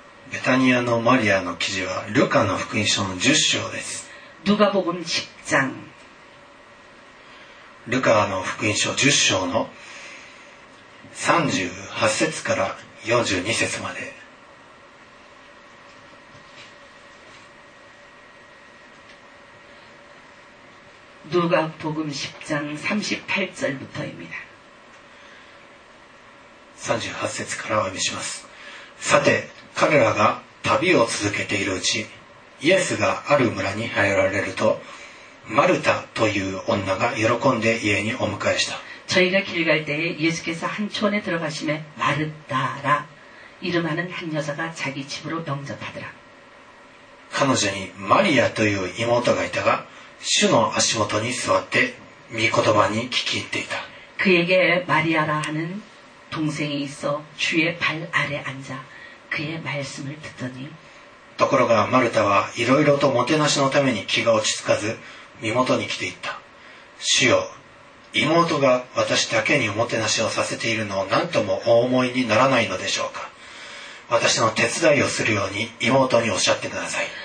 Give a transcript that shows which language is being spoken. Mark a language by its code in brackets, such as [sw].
[ko] 베타니아의마리아의기지와루카의복음서10장입니다 누가복음10장 [ja] ルカの福音書10章の38節から42節まで。ルカ福音10章38 [ko] 절부터입니다。 [ja] 38節からお読みします。さて、彼らが旅を続けているうち、イエスがある村に入られると、マルタという女が喜んで家にお迎えした。 [ko] 저희가길갈때에예수께서한촌에들어가시매마르타라이름하는한여자가자기집으로영접하더라 [ja] 彼女にマリアという妹がいたが主の足元に座って御言葉に聞き入っていた [ko] 그에게마리아라하는동생이있어주의발아래앉아그의말씀을듣더니 [ja] ところがマルタはいろいろともてなしのために気が落ち着かず身元に来ていった。主よ、妹が私だけにおもてなしをさせているのを何ともお思いにならないのでしょうか。私の手伝いをするように妹におっしゃってください。